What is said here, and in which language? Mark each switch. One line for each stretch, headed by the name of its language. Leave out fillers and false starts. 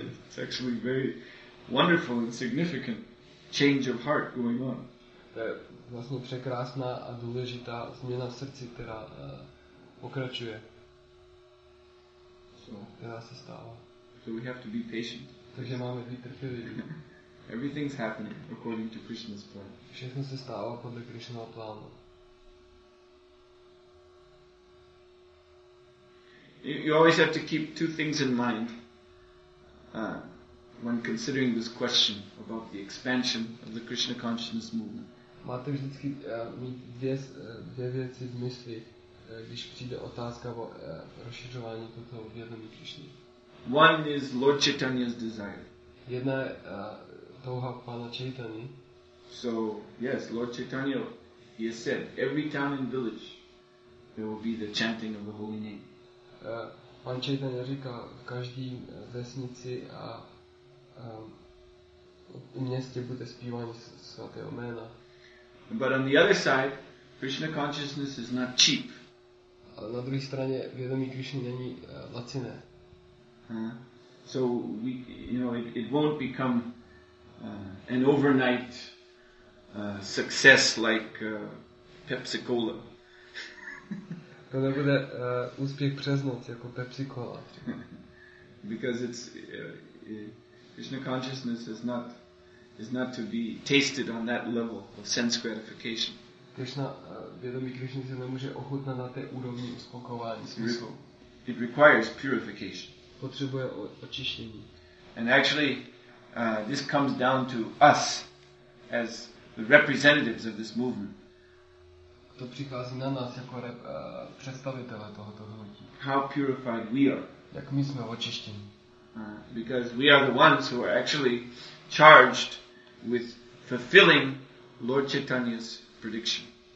English: It's actually very wonderful and significant change of heart going on.
Czech: To je vlastně překrásná a důležitá změna v srdci, která pokračuje.
English: So,
Czech: která se stává.
English: So we have to be patient.
Czech: Takže máme být trpělivý.
English: Everything's happening according to Krishna's plan.
Czech: Všechno se stává podle Krishnova plánu.
English: You always have to keep two things in mind when considering this question about the expansion of the Krishna consciousness movement.
Czech: Máte vždycky mít dvě věci v mysli, když přijde otázka o rozšiřování toho vědomí Krishny.
English: One is Lord Chaitanya's desire.
Czech: Jedna je touha pana Chaitany.
English: So, yes, Lord Chaitanya, he has said, every town and village there will be the chanting of the holy name.
Czech: Pan Chaitanya říká, v každé vesnici a městě bude zpívání svatého jména.
English: But on the other side, Krishna consciousness is not cheap.
Czech: Ale na druhé straně vědomí Krishny není laciné.
English: So we, you know, it won't become an overnight success like Pepsi Cola.
Czech: To nebude úspěch přes noc jako Pepsi Cola.
English: Because it's Krishna consciousness is not to be tasted on that level of sense gratification.
Czech: Krishna vědomí Krishna se nemůže ochutnat na té úrovni uspokojování smyslu.
English: It requires purification.
Czech: Potřebuje očištění.
English: And actually this comes down to us as the representatives of this movement.
Czech: To přichází na nás jako představitele tohoto hnutí.
English: How purified we are.
Czech: Jak my jsme očištěni.
English: Because we are the ones who are actually charged with fulfilling Lord Chaitanya's prediction.